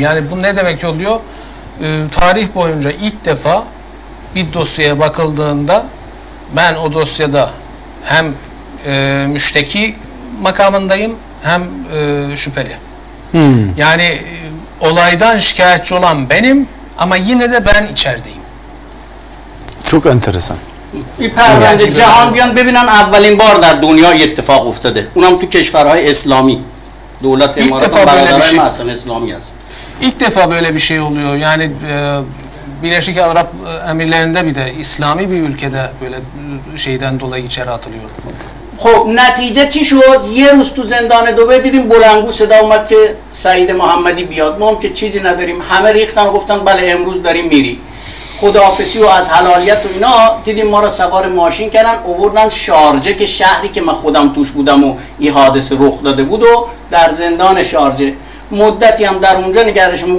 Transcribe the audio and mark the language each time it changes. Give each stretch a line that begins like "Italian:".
Turkish: Yani bu ne demek oluyor? Tarih boyunca ilk defa bir dosyaya bakıldığında ben o dosyada hem müşteki makamındayım hem şüpheli. Yani olaydan şikayetçi olan benim ama yine de ben içerideyim. Çok enteresan.
Persian: این پرونده جهان بیان ببینن اولین بار در دنیا یه اتفاق افتاده، اونم تو کشورهای اسلامی، دولت امارات برادرای ما اصلا اسلامی هست.
Turkish: İlk defa böyle bir şey oluyor. Yani Birleşik Arap Emirlerinde bir de İslami bir ülkede böyle şeyden dolayı içeri atılıyor.
Persian: خب نتیجه چی شد؟ یه روز تو زندان دبی دیدیم بلنگو صدا اومد که سعید محمدی بیاد. ما هم که چیزی نداریم، همه ریختن گفتن بله امروز داریم میری. خداحافظی و از حلالیت و اینا، دیدیم ما را سوار ماشین کردن اووردن شارجه که شهری که من خودم توش بودم و این حادثه رخ داده بود و در زندان شارجه مدتی هم در اونجا نگردشم.